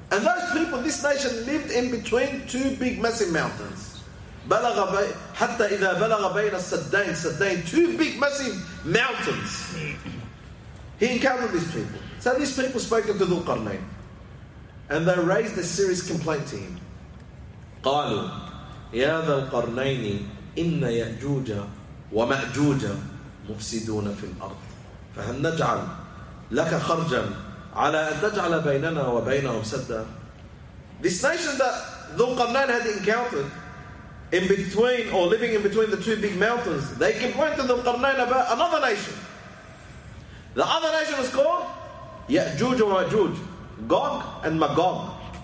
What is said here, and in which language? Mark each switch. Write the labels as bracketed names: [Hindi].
[English] And those people, this nation, lived in between two big massive mountains. [Arabic] حتى إذا بلغ بين السدين. [English] Saddain, two big massive mountains. He encountered these people. So these people spoke to Dhulqarnain, and they raised a serious complaint to him. [Arabic] قالوا يا ذلقرنين إن يأجوج ومأجوج مفسدون في الأرض فهل نجعل لك خرجا على أن تجعل بيننا وبينهم سدا. [English] This nation that Dhulqarnain had encountered in between, or living in between, the two big mountains, they complained to Dhulqarnain about another nation. The other nation was called Ya'juj and Ma'juj, Gog and Magog.